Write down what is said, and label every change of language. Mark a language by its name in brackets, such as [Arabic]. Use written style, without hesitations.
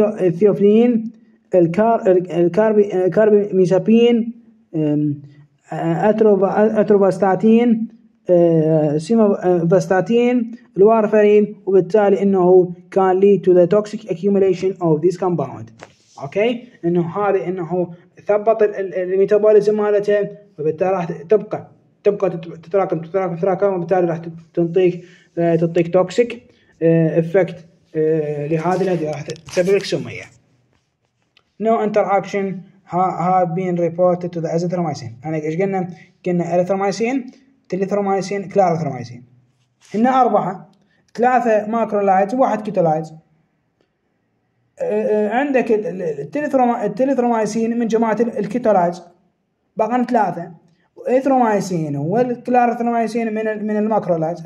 [Arabic] ثيوفلين، الكاربي ميسابين، أتروفاستاتين، سيموفاستاتين، الوارفارين، وبالتالي انه كان [English] lead to the toxic accumulation of this compound. [Arabic] اوكي؟ انه هذه انه ثبط الميتابوليزم مالته، وبالتالي راح تبقى تتراكم تتراكم تتراكم، وبالتالي راح تعطيك توكسيك افكت لهذه الادويه، راح تسبب لك سميه. [English] No interaction have been reported to the azithromycin. [Arabic] يعني ايش قلنا؟ قلنا erythromycin تريثروميسين كلاريثروميسين، هنا أربعة، ثلاثة ماكرولايتز وواحد كيتولايتز. عندك التريثروميسين من جماعة الكيتولايتز، بقين ثلاثة، إيثروميسين والكلاريثروميسين من الماكرولايتز.